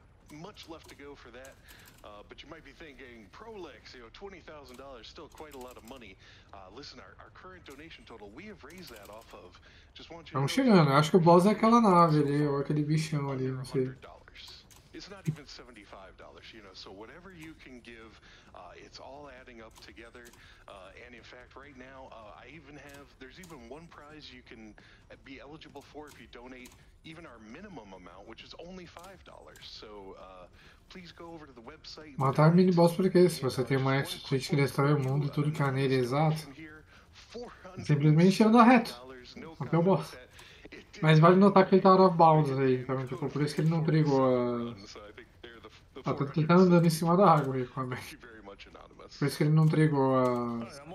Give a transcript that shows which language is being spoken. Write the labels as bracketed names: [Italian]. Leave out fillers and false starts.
[English] Much left to go for that, but you might be thinking, Prolex, you know, $20,000 still quite a lot of money. Listen, our current donation total, we have raised that off of. Just want you to. [Portuguese] Vamos chegando. Acho que o boss é aquela nave ali, ou aquele bichão ali, não sei. [English] It's not even $75, you know, so whatever you can give, it's all adding up together. And in fact, right now, I even have, there's even one prize you can be eligible for if you donate even our minimum amount, which is only $5. So, please go over to the website. [Portuguese] Matar mini boss por quê? Se você tem uma extra twitch que destrói o mundo, tudo que há nele é exato. Simplesmente anda reto. Até o boss. Mas vale notar que ele tá [English] out of bounds [Portuguese] aí, então, tipo, por isso que ele não brigou a... Ah, tanto que ele tá andando em cima da água aí com a mech. Por isso que ele não brigou a...